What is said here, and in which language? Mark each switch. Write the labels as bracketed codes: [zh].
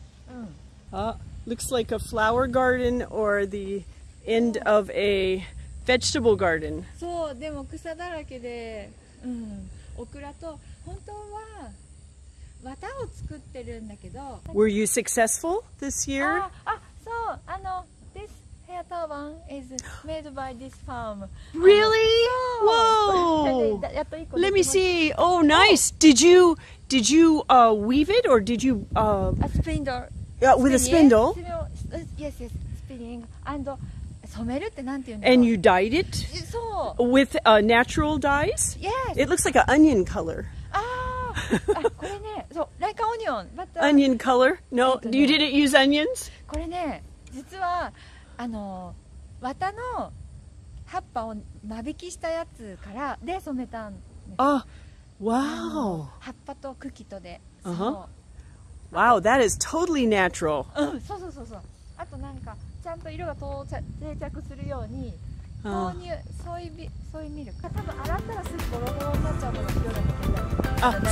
[en] uh-huh. うん。Looks like a flower garden or the end of a vegetable garden. [ja] そう、でも草だらけで、うん、オクラと本当は綿を作ってるんだけど。 [en] Were you successful this year? So, this hair turban is made by this farm. Really? Whoa! Let me see. Oh, nice. Did you weave it or did you... A spindle. With a spindle? Yes, spinning. And, [ja] 染めるってなんて言うんだ [en] ろう?And you dyed it? So. With natural dyes? Yes. It looks like an onion color. [ja] これね、そう、 [en] like an onion. But, onion color? No, you didn't use onions? [ja] これね、実はあの綿の葉っぱを間引きしたやつからで染めたんです。 [en] Wow. [ja] 葉っぱと茎とで。 [en] Uh-huh. Wow, that is totally natural. [ja] そうそうそうそう。あとなんかちゃんと色が定着するように豆乳、ソイミルク。多分洗ったらすぐボロボロになっちゃうのが色だけど。